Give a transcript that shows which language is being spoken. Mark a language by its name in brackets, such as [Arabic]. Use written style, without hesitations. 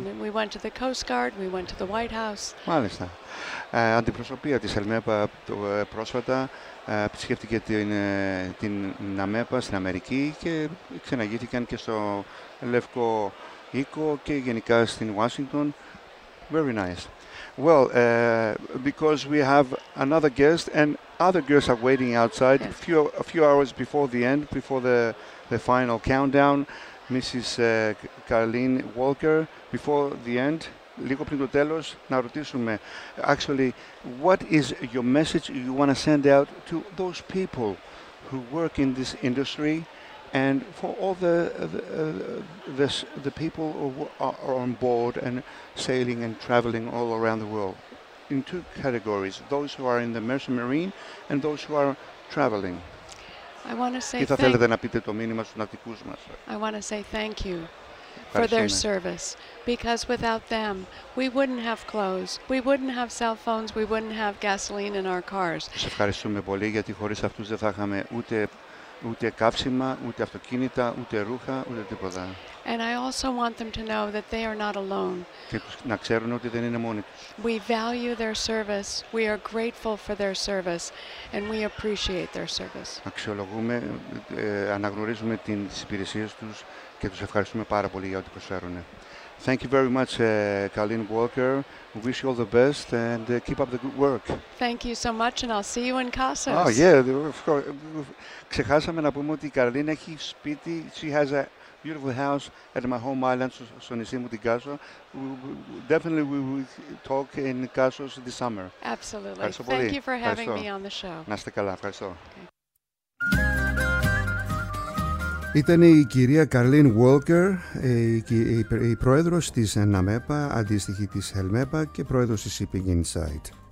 [English] Mm-hmm. And we went to the Coast Guard, we went to the White House. [Greek] Μάλιστα. Αντιπροσωπεία της ΕΛΜΕΠΑ πρόσφατα επισκέφτηκε την ΝΑΜΕΠΑ στην Αμερική και ξεναγήθηκαν και στο Λευκό Οίκο και γενικά στην Washington. [English] Very nice. Well, because we have another guest and other guests are waiting outside a few hours before the end, before the final countdown, Mrs. Carlene Walker, before the end, [Greek] λίγο πριν το τέλος, να ρωτήσουμε, [English] actually, what is your message you want to send out to those people who work in this industry and for all the people who are on board and sailing and traveling all around the world in two categories, those who are in the Merchant Marine and those who are traveling. I want to say thank you. [Greek] Τι θα θέλετε να πείτε το μήνυμα στους ναυτικούς μας. [English] I want to say thank you for their service, because without them, we wouldn't have clothes, we wouldn't have cell phones, we wouldn't have gasoline in our cars. [Greek] Σας ευχαριστούμε πολύ, γιατί χωρίς αυτούς δεν θα είχαμε ούτε καύσιμα, ούτε αυτοκίνητα, ούτε ρούχα, ούτε τίποτα. [English] And I also want them to know that they are not alone. [Greek] Και να ξέρουν ότι δεν είναι μόνοι τους. [English] We value their service, we are grateful for their service, and we appreciate their service. [Greek] Αξιολογούμε, αναγνωρίζουμε τις υπηρεσίες τους και τους ευχαριστούμε πάρα πολύ για ό,τι προσφέρουν. [English] Thank you very much, Carlene Walker. We wish you all the best and keep up the good work. Thank you so much and I'll see you in Casas. Oh yeah, of course. [Greek] Ξεχάσαμε να πούμε ότι η Καρλίν έχει σπίτι. [English] She has a beautiful house at my home island, [Greek] στο νησί μου, την Κάσο. [English] Definitely we will talk in Casas this summer. Absolutely. Thank you for having me on the show. [Greek] Να είστε καλά. Ευχαριστώ. Ήταν η κυρία Carlene Walker, η πρόεδρος της ΝΑΜΕΠΑ, αντίστοιχη της ΕΛΜΕΠΑ και πρόεδρος της Shipping Insight.